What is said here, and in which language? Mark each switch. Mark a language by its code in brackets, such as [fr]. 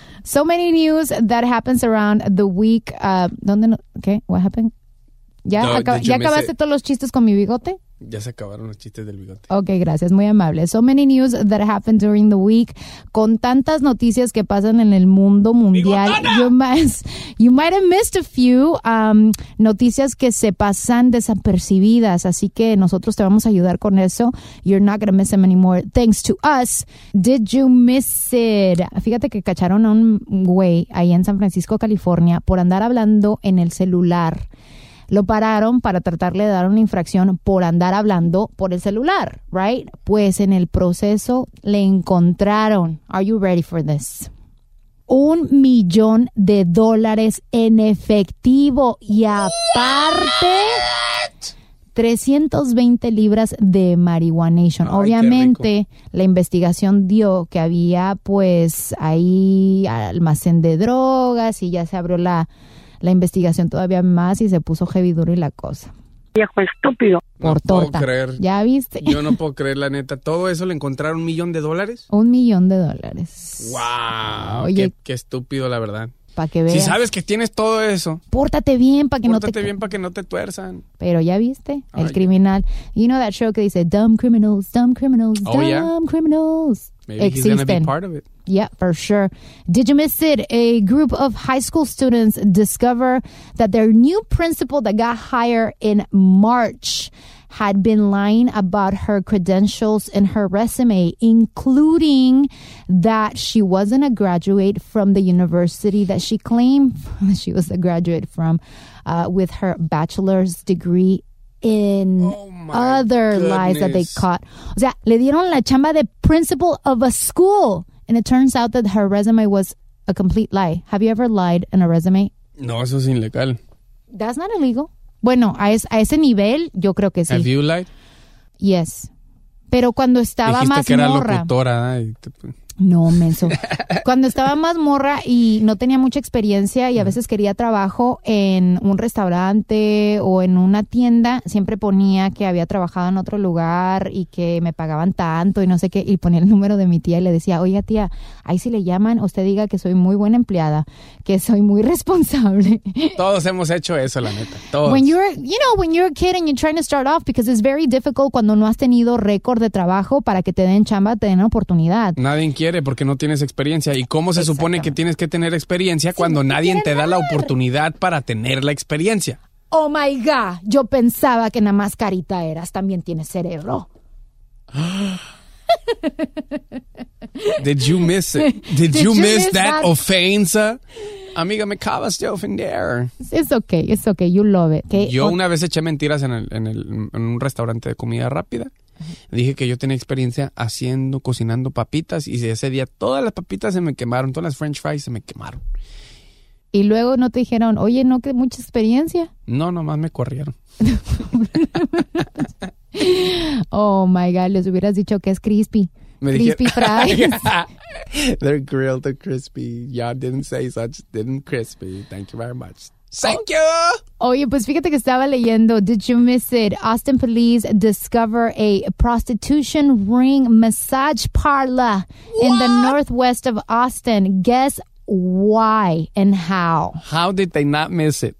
[en] So many news that happens around the week. [es] ¿Dónde? No? ¿Qué? [en] What happened? [es] ¿Ya acabaste todos los chistes con mi bigote? Ya se acabaron los chistes del bigote. Ok, gracias, muy amable. [en] So many news that happened during the week. [es] Con tantas noticias que pasan en el mundo mundial, [en] you might have missed a few [es] noticias que se pasan desapercibidas. Así que nosotros te vamos a ayudar con eso. [en] You're not gonna miss them anymore, thanks to us. Did you miss it? [es] Fíjate que cacharon a un güey ahí en San Francisco, California, por andar hablando en el celular. Lo pararon para tratarle de dar una infracción por andar hablando por el celular, [en] right? [es] Pues en el proceso le encontraron, [en] are you ready for this? [es] $1,000,000 en efectivo y aparte 320 libras de marihuanation. Ay, obviamente, la investigación dio que había pues ahí almacén de drogas y ya se abrió la investigación todavía más y se puso heavy duro y la cosa. Viejo estúpido. Por no torta. Puedo creer. ¿Ya viste? Yo no puedo creer, la neta. ¿Todo eso le encontraron $1,000,000? $1,000,000. ¡Wow! Oye, qué estúpido, la verdad. Para que veas. Si sabes que tienes todo eso. Pórtate bien para que no te... Pórtate bien para que no te tuerzan. Pero ¿ya viste? El criminal. [en] You know that show [es] que dice, [en] dumb criminals, dumb criminals, dumb criminals. Maybe [es] existen. [en] He's gonna be part of it. Yeah, for sure. Did you miss it? A group of high school students discover that their new principal that got hired in March had been lying about her credentials and her resume, including that she wasn't a graduate from the university that she claimed she was a graduate from, with her bachelor's degree in lies that they caught. [es] O sea, le dieron la chamba de principal [en] of a school. And it turns out that her resume was a complete lie. Have you ever lied in a resume? [es] No, eso es ilegal. [en] That's not illegal. [es] Bueno, a ese nivel, yo creo que sí. [en] Have you lied? Yes. [es] Pero cuando estaba dijiste más que era morra. Locutora, ¿eh? No, menso. Cuando estaba más morra y no tenía mucha experiencia y a veces quería trabajo en un restaurante o en una tienda, siempre ponía que había trabajado en otro lugar y que me pagaban tanto y no sé qué. Y ponía el número de mi tía y le decía, oiga tía, ahí si le llaman, usted diga que soy muy buena empleada, que soy muy responsable. Todos hemos hecho eso, la neta. Todos. [en] When you're, you know, when you're a kid and you're trying to start off, because it's very difficult [es] cuando no has tenido récord de trabajo para que te den chamba, te den oportunidad. Nadie quiere porque no tienes experiencia. ¿Y cómo se supone que tienes que tener experiencia cuando nadie te da la oportunidad para tener la experiencia? [en] Oh my God, [es] yo pensaba que nada más carita eras, también tienes cerebro. [en] Did you miss it? Did you miss that ofensa? [es] Amiga, me acabas de ofender. [en] It's okay, you love it. Okay. [es] Yo una vez eché mentiras en un restaurante de comida rápida. Dije que yo tenía experiencia haciendo, cocinando papitas y ese día todas las papitas se me quemaron, todas las french fries se me quemaron. Y luego no te dijeron, oye, no, que mucha experiencia. No, nomás me corrieron. [en] Oh my God, les hubieras dicho que es crispy. Me crispy fries. They're grilled, they're crispy. Y'all didn't say such, didn't crispy. Thank you very much. Thank you. [es] Oye, pues fíjate que estaba leyendo. [en] Did you miss it? Austin police discover a prostitution ring massage parlor in the northwest of Austin. Guess why and how? How did they not miss it?